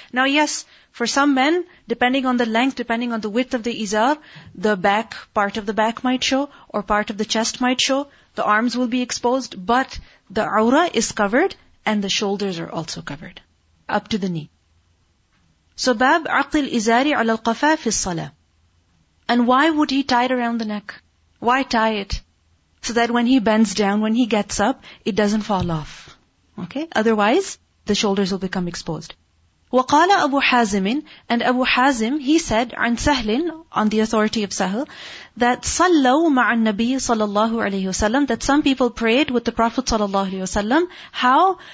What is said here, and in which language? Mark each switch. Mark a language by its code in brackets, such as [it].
[en] Now, yes, for some men, depending on the length, depending on the width of the izar, the back, part of the back might show, or part of the chest might show. The arms will be exposed, but the awra is covered, and the shoulders are also covered, up to the knee. [ar] So, باب عقد الإزار على القفا في الصلاة. [en] And why would he tie it around the neck? Why tie it? So that when he bends down, when he gets up, it doesn't fall off. Okay? Otherwise, the shoulders will become exposed. [ar] وقال أبو حازم, [en] and Abu Hazim, he said, [ar] عن سهل, [en] on the authority of سهل, that [ar] صلوا مع النبي صلى الله عليه وسلم, [en] that some people prayed with the Prophet صلى الله عليه وسلم. How?